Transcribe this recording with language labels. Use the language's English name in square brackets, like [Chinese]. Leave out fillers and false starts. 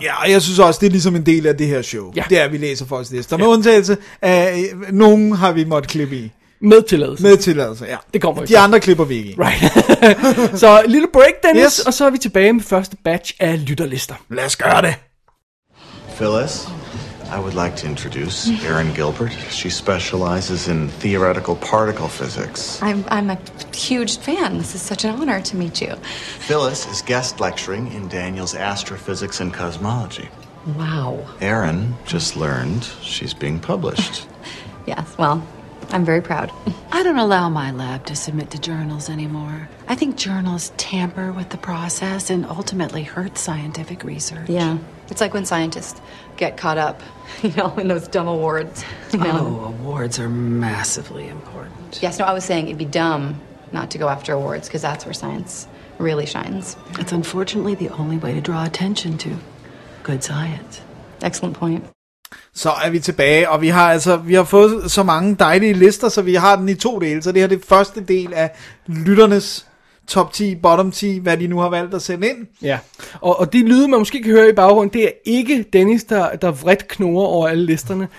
[Danish] Ja, og jeg synes også, det er ligesom en del af det her show. Ja. Det er, at vi læser folks lister. Med undtagelse af, nogen har vi måttet klippe i. Med tilladelse, ja. Det kommer ikke. De andre klipper vi ikke ind. Right. Så lille break, Dennis, yes. Og så er vi tilbage med første batch af lytterlister. Lad os gøre det. [English] Phyllis, I would like to introduce Erin Gilbert. She specializes in theoretical particle physics. I'm a huge fan. This is such an honor to meet you. Phyllis is guest lecturing in Daniel's astrophysics and cosmology. Wow. Erin just learned she's being published. Yes, well... I'm very proud. I don't allow my lab to submit to journals anymore. I think journals tamper with the process and ultimately hurt scientific research. Yeah, it's like when scientists get caught up, you know, in those dumb awards. You know? Oh, awards are massively important. Yes, no, I was saying it'd be dumb not to go after awards because that's where science really shines. It's unfortunately the only way to draw attention to good science. Excellent point. [Danish] Så er vi tilbage, og vi har fået så mange dejlige lister, så vi har den i to dele. Så det her er det første del af lytternes top 10, bottom 10, hvad de nu har valgt at sende ind. Ja, og de lyde, man måske kan høre i baggrunden, det er ikke Dennis, der vredt knurrer over alle listerne.